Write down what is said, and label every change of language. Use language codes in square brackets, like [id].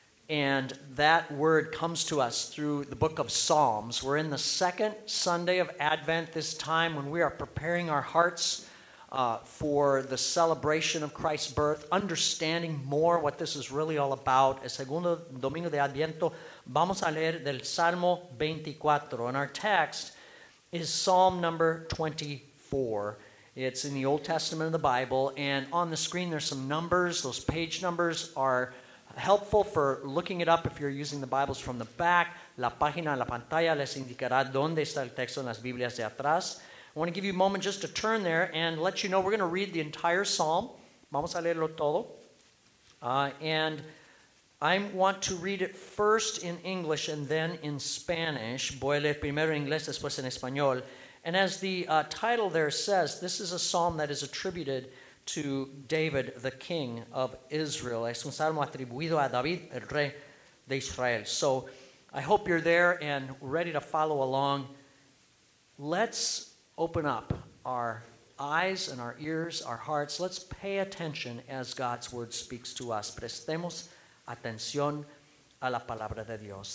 [en] And that word comes to us through the book of Psalms. We're in the second Sunday of Advent, this time when we are preparing our hearts for the celebration of Christ's birth, understanding more what this is really all about. [es] El segundo domingo de Adviento, vamos a leer del Salmo 24. [en] And our text is Psalm number 24. It's in the Old Testament of the Bible, and on the screen there's some numbers. Those page numbers are helpful for looking it up if you're using the Bibles from the back. [es] La página, la pantalla les indicará dónde está el texto en las Biblias de atrás. [en] I want to give you a moment just to turn there and let you know we're going to read the entire psalm. [es] Vamos a leerlo todo. [en] And I want to read it first in English and then in Spanish. [es] Voy a leer primero en inglés, después en español. [en] And as the title there says, this is a psalm that is attributed to David, the king of Israel. [es] Es un salmo atribuido a David, el rey de Israel. [en] So I hope you're there and ready to follow along. Let's open up our eyes and our ears, our hearts. Let's pay attention as God's word speaks to us. [es] Prestemos atención a la palabra de Dios.